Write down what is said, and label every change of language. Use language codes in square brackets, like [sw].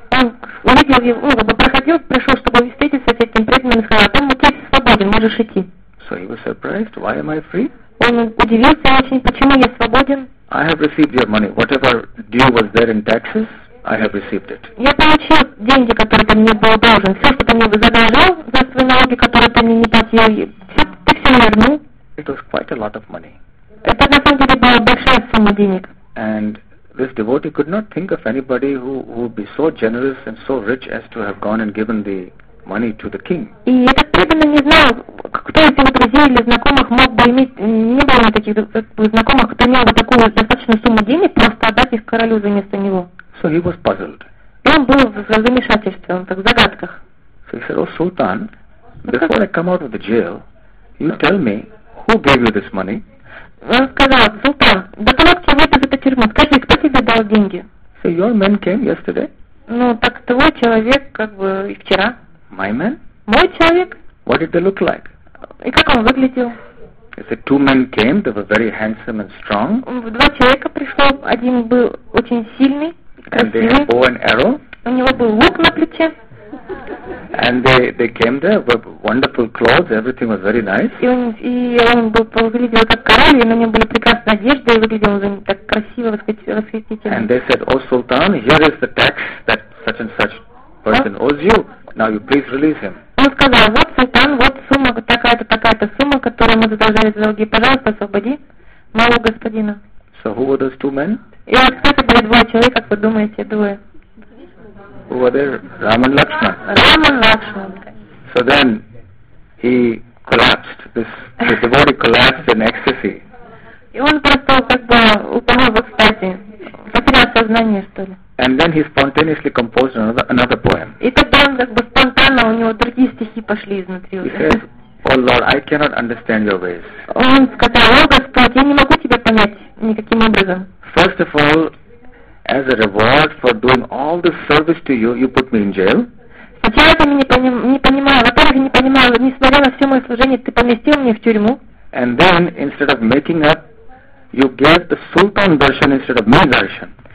[ru] Он увидел его, проходил, пришел, чтобы встретиться с этим преданным, и сказал, "Там ты свободен, можешь идти." [en] So he was surprised. Why am I free? [ru] Он удивился очень, почему я свободен. [en] I have received your money. Whatever due was there in taxes, I have received it. [ru] Я получил деньги, которые ты мне был должен. Все, что ты мне задолжал за свои налоги, которые ты мне не платил, ты все вернул. [en] It was quite a lot of money. [ru] Это на самом деле была большая сумма денег. [en] And this devotee could not think of anybody who would be so generous and so rich as to have gone and given the money to the king. [ru] И этот преданный не знал, кто из его друзей или знакомых мог бы иметь, не было таких знакомых, кто имел бы такую достаточную сумму денег, просто отдать их королю за место него. [en] So he was puzzled. [ru] Он был в замешательстве, он так в загадках. [en] So he said, "Oh, Sultan, before I come out of the jail, you tell me who gave you this money?" [ru] сказал, Султан, доставьте вот из этой тюрьмы, скажи, кто тебе дал деньги? [en] So your man came yesterday? [ru] Ну, так твой человек, как бы, и вчера. [en] My man? [ru] Мой человек. [en] What did they look like? [ru] И как он выглядел? [en] I said, two men came, they were very handsome and strong. [ru] Два человека пришло, один был очень сильный, красивый. [en] And they had bow and arrow. [ru] У него был лук на плече. [en] And they came there with wonderful clothes, everything was very nice. [ru] И он выглядел как король, и на нем были прекрасные одежды, и выглядел он так красиво, восхитительно. [en] And they said, oh, Sultan, here is the tax that such and such person owes you. Now you please release him. [ru] Он сказал, вот султан, вот сумма, такая-то, такая-то сумма, которую мы задолжали за долги, пожалуйста, освободи моего господина. [en] So who were those two men? [ru] И вот кто-то были двое человек, как вы думаете, двое? [en] Who were there? Raman Lakshman. [ru] Raman Lakshman. [en] So then he collapsed, the devotee collapsed in ecstasy. [ru] И он просто как бы упал в экстазе. Потерял сознание, что ли. [en] And then he spontaneously composed another poem. [ru] И тогда он как бы спонтанно, у него другие стихи пошли изнутри. [en] He says, oh Lord, I cannot understand your ways. [ru] Он сказал, о Господь, я не могу тебя понять никаким образом. [en] First of all, as a reward for doing all this service to you, you put me in jail. [ru] Сначала ты меня не понимала, во-вторых, не понимала, несмотря на все мое служение, ты поместил меня в тюрьму. [en] And then, instead of making up, you gave the Sultan darshan instead of me darshan.